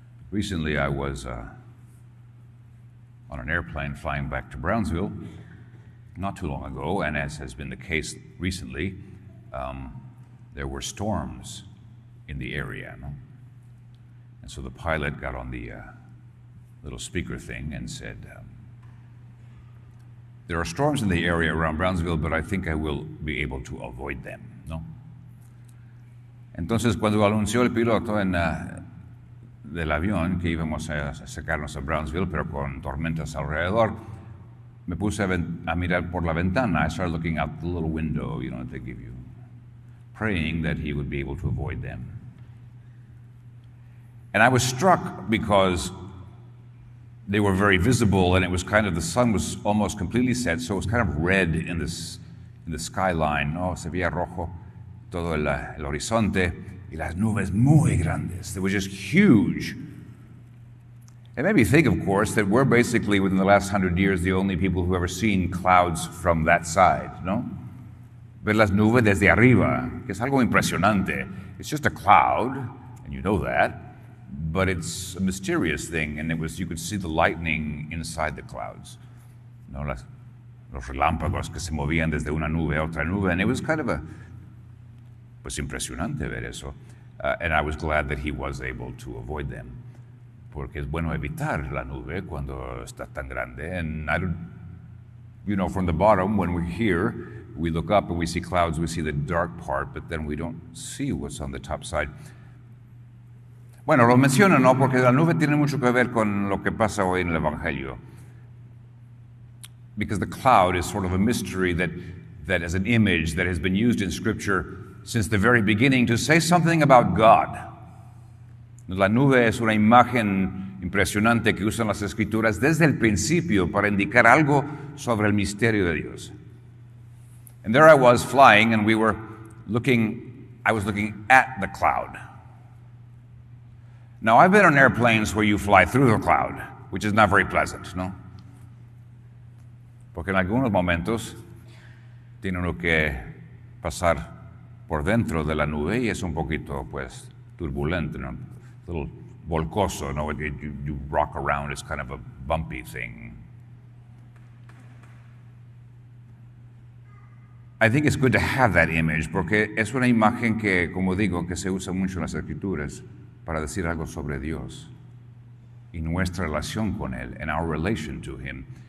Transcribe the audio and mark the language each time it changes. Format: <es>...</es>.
<en>Recently, I was on an airplane flying back to Brownsville, not too long ago, and as has been the case recently, there were storms in the area. No? And so the pilot got on the little speaker thing and said, there are storms in the area around Brownsville, but I think I will be able to avoid them, no?</en> <es>Entonces, cuando anunció el piloto en del avión que íbamos a sacarnos a Brownsville, pero con tormentas alrededor, me puse a mirar por la ventana.</es> <en>I started looking out the little window, you know, that they give you, praying that he would be able to avoid them. And I was struck because they were very visible, and it was kind of, the sun was almost completely set, so it was kind of red in the skyline.</en> <es>Oh, se veía rojo todo el horizonte, y las nubes muy grandes.</es> <en>They were just huge. It made me think, of course, that we're basically, within the last 100 years, the only people who've ever seen clouds from that side, no?</en> <es>Ver las nubes desde arriba, que es algo impresionante.</es> <en>It's just a cloud, and you know that. But it's a mysterious thing, and it was, you could see the lightning inside the clouds.</en> <es>No, los relámpagos que se movían desde una nube a otra nube,</es> <en>and it was kind of a,</en> <es>pues impresionante ver eso.</es> <en>And I was glad that he was able to avoid them.</en> <es>Porque es bueno evitar la nube cuando está tan grande.</es> <en>And I don't, you know, from the bottom, when we're here, we look up and we see clouds, we see the dark part, but then we don't see what's on the top side.</en> <es>Bueno, lo menciono, ¿no? Porque la nube tiene mucho que ver con lo que pasa hoy en el Evangelio.</es> <en>Because the cloud is sort of a mystery that is an image that has been used in Scripture since the very beginning to say something about God.</en> <es>La nube es una imagen impresionante que usan las Escrituras desde el principio para indicar algo sobre el misterio de Dios.</es> <en>And there I was flying, and I was looking at the cloud. Now, I've been on airplanes where you fly through the cloud, which is not very pleasant, no?</en> <es>Porque en algunos momentos tiene uno que pasar por dentro de la nube y es un poquito, pues, turbulento, no?</es> <en>A little volcoso, no? You rock around, it's kind of a bumpy thing. I think it's good to have that image,</en> <es>porque es una imagen que, como digo, que se usa mucho en las Escrituras, para decir algo sobre Dios y nuestra relación con Él</es> <en>and our relation to Him.</en>